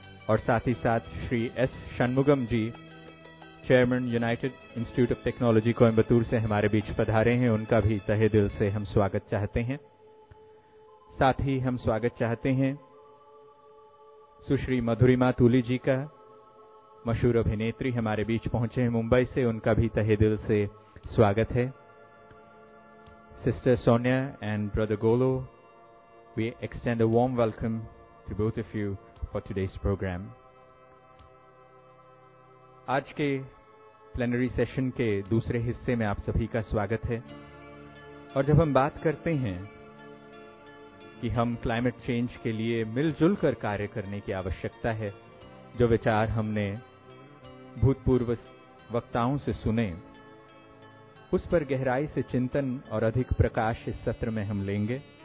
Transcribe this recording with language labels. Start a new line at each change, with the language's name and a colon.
Hindi: और साथ ही साथ Shri S Shanmugam ji, chairman United institute of technology Coimbatore से हमारे बीच पधारे हैं, उनका भी तहे दिल से हम स्वागत चाहते हैं। साथ ही हम स्वागत चाहते हैं सुश्री मधुरिमा तुली जी का, मशहूर अभिनेत्री हमारे बीच पहुंचे हैं मुंबई से, उनका भी तहे दिल से स्वागत है।
English: Sister Sonia and Brother Golo, we extend a warm welcome to both of you for today's program.
Hindi: आज के प्लेनरी सेशन के दूसरे हिस्से में आप सभी का स्वागत है। और जब हम बात करते हैं कि हम क्लाइमेट चेंज के लिए मिलजुल कर कार्य करने की आवश्यकता है, जो विचार हमने भूतपूर्व वक्ताओं से सुने, उस पर गहराई से चिंतन और अधिक प्रकाश इस सत्र में हम लेंगे।